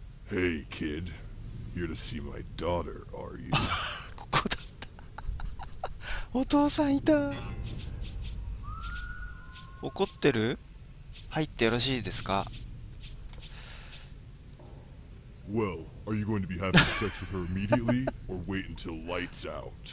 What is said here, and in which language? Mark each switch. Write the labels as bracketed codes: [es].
[en] Hey kid, you're to see my daughter, are you? [ja] ここだったお父さんいた。怒ってる？入ってよろしいですか？ [en] Well, are you going to be having sex with her immediately or wait until lights out?